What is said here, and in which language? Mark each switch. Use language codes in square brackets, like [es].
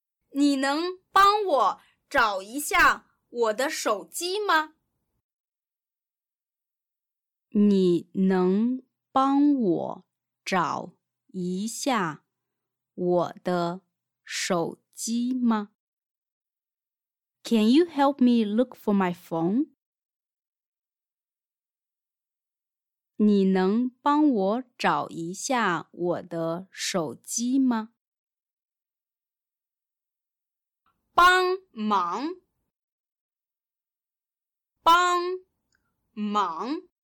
[zh] 你能帮我找一下我的手机吗？你能帮我找一下我的手机吗？ [en] Can you help me look for my phone? [zh] 你能帮我找一下我的手机吗？帮忙，帮忙。